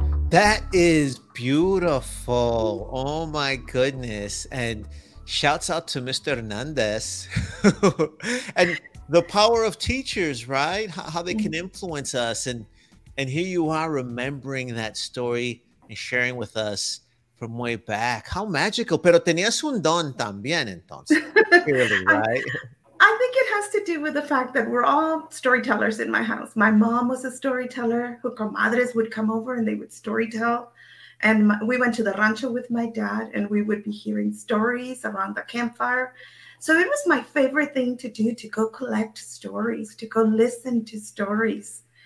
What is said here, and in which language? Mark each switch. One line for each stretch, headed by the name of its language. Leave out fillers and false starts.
English: That is beautiful. Oh my goodness. And shouts out to Mr. Hernandez and the power of teachers, right? How they can influence us. And here you are remembering that story and sharing with us from way back. How magical.
Spanish: Pero tenías un don también entonces.
English: Clearly, right? I think it has to do with the fact that we're all storytellers in my house. My mom was a storyteller. Her comadres would come over and they would storytell. And we went to the rancho with my dad and we would be hearing stories around the campfire. So it was my favorite thing to do, to go collect stories, to go listen to stories.